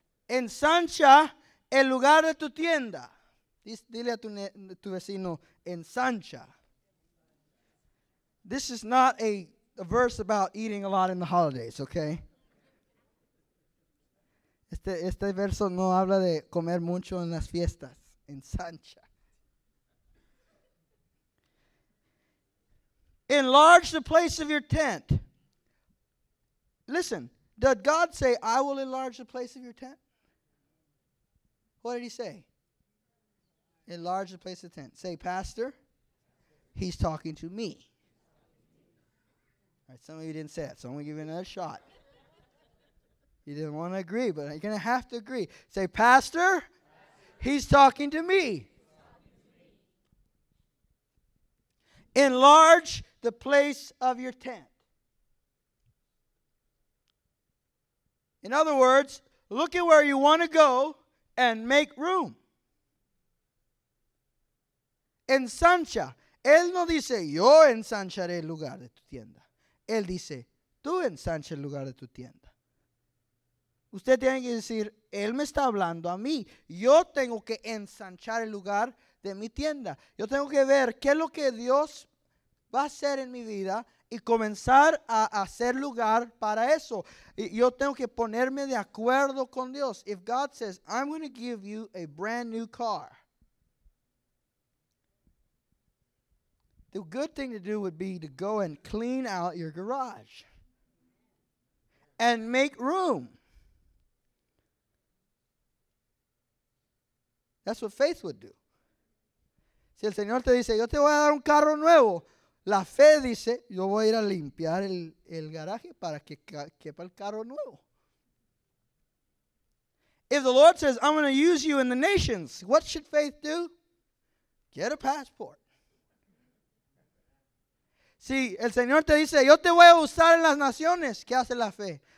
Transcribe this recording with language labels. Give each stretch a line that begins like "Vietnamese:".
Spanish: Ensancha el lugar de tu tienda. Dile a tu vecino, ensancha.
English: This is not a verse about eating a lot in the holidays, okay?
Spanish: Este verso no habla de comer mucho en las fiestas. Ensancha.
English: Enlarge the place of your tent. Listen, did God say, I will enlarge the place of your tent? What did he say? Enlarge the place of the tent. Say, Pastor, he's talking to me. All right, some of you didn't say that, so I'm going to give you another shot. You didn't want to agree, but you're going to have to agree. Say, Pastor, he's talking to me. Enlarge the place of your tent. In other words, look at where you want to go and make room.
Spanish: Ensancha. Él no dice, yo ensancharé el lugar de tu tienda. Él dice, tú ensancha el lugar de tu tienda. Usted tiene que decir, él me está hablando a mí. Yo tengo que ensanchar el lugar de mi tienda. Yo tengo que ver qué es lo que Dios va a hacer en mi vida y comenzar a hacer lugar para eso. Yo tengo que ponerme de acuerdo con Dios.
English: If God says, I'm going to give you a brand new car, the good thing to do would be to go and clean out your garage and make room. That's what faith would do.
Spanish: Si el Señor te dice, yo te voy a dar un carro nuevo, la fe dice, yo voy a ir a limpiar el garaje para que quepa el carro nuevo.
English: If the Lord says, I'm going to use you in the nations, what should faith do? Get a passport.
Spanish: Si el Señor te dice, yo te voy a usar en las naciones, ¿qué hace la fe?